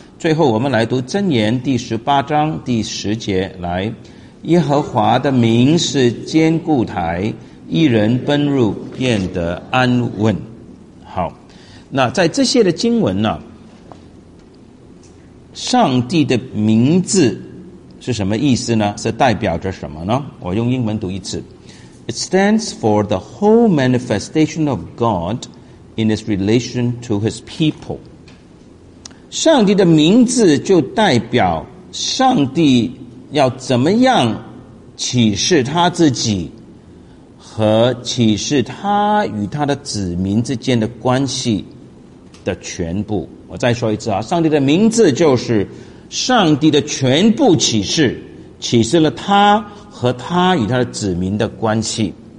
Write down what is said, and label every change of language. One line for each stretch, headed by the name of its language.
Chinese: 最后我们来读箴言第18:10，来，耶和华的名是坚固台，一人奔入便得安稳。好，那在这些的经文呢，上帝的名字是什么意思呢？是代表着什么呢？我用英文读一次，
English: It stands for the whole manifestation of God in his relation to his people。
Chinese: 上帝的名字就代表上帝要怎么样启示他自己和启示他与他的子民之间的关系的全部。我再说一次啊，上帝的名字就是上帝的全部启示，启示了他和他与他的子民的关系。